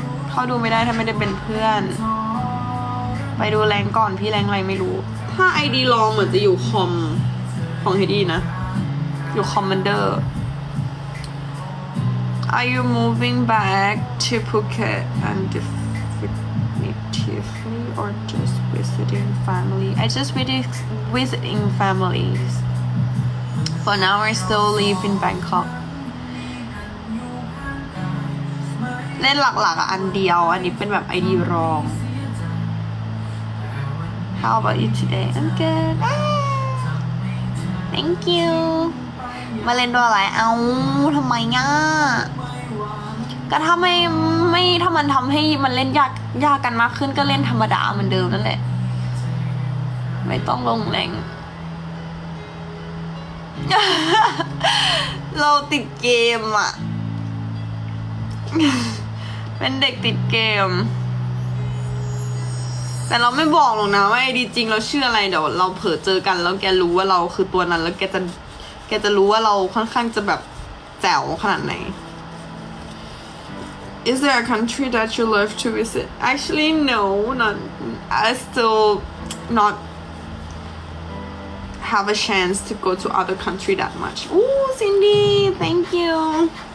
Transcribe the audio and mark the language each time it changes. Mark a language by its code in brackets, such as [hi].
[th] เขาดูไม่ได้ถ้าไม่ได้เป็นเพื่อนไปดูแรงก่อนพี่แรงอะไรไม่รู้ถ้า ID ลองเหมือนจะอยู่คอมของ Heidi นะอยู่ Commander [en] Are you moving back to Phuket and definitivelyOr just visiting family? I just visiting families. For now, I still live in Bangkok. [th] เล่นหลักๆอันเดียวอันนี้เป็นแบบ ID รอง [en] How about you today? I'm good. Thank you. [th] มาเล่นด้วยอะไรเอ้าทำไมง่าก็ถ้าไม่ถ้ามันทำให้มันเล่นยากกันมากขึ้นก็เล่นธรรมดาเหมือนเดิมนั่นแหละไม่ต้องลงแรง เราติดเกมอ่ะ เป็นเด็กติดเกมแต่เราไม่บอกหรอกนะว่าไอ้ดีจริงเราชื่ออะไรเดี๋ยวเราเผลอเจอกันแล้วแกรู้ว่าเราคือตัวนั้นแล้วแกจะรู้ว่าเราค่อนข้างจะแบบแจ๋วขนาดไหน [en] Is there a country that you love to visit? Actually, no, not. I still not have a chance to go to other country that much. Ooh, Cindy, thank you.